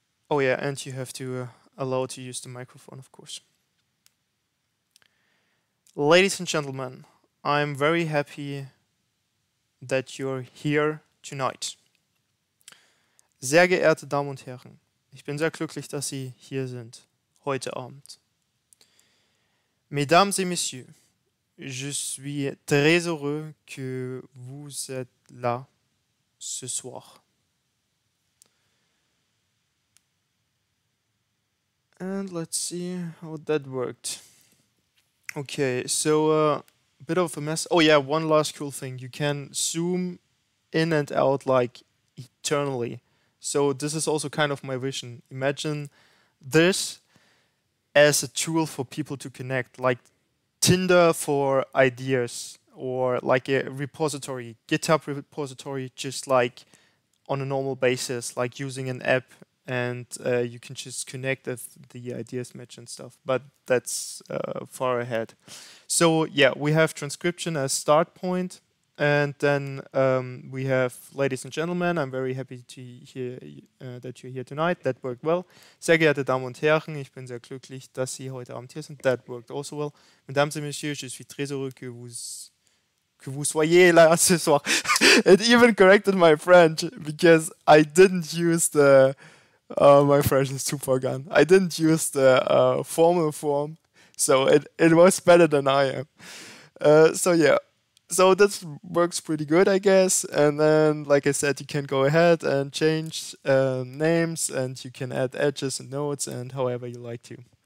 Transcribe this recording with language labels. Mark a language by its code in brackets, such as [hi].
[en] Oh yeah, and you have to allow to use the microphone, of course. Ladies and gentlemen, I'm very happy that you're here tonight. [de] Sehr geehrte Damen und Herren, ich bin sehr glücklich, dass Sie hier sind, heute Abend. [fr] Mesdames et Messieurs, je suis très heureux que vous êtes là ce soir. [en] And let's see how that worked. Okay, so a bit of a mess. Oh yeah, one last cool thing. You can zoom in and out like eternally. So this is also kind of my vision. Imagine this as a tool for people to connect, like Tinder for ideas, or like a repository, GitHub repository, just like on a normal basis, like using an app. And you can just connect if the ideas match and stuff, but that's far ahead. So yeah, we have transcription as start point, and then we have, ladies and gentlemen, I'm very happy to hear that you're here tonight. That worked well. [de] Sehr geehrte Damen und Herren, ich bin sehr glücklich, dass Sie heute Abend hier sind. [en] That worked also well. [fr] Mesdames et Messieurs, je suis très heureux que vous soyez là ce soir. [en] It even corrected my French because I didn't use the my French is too far gone. I didn't use the formal form, so it was better than I am. So this works pretty good, I guess. And then, like I said, you can go ahead and change names, and you can add edges and nodes and however you like to.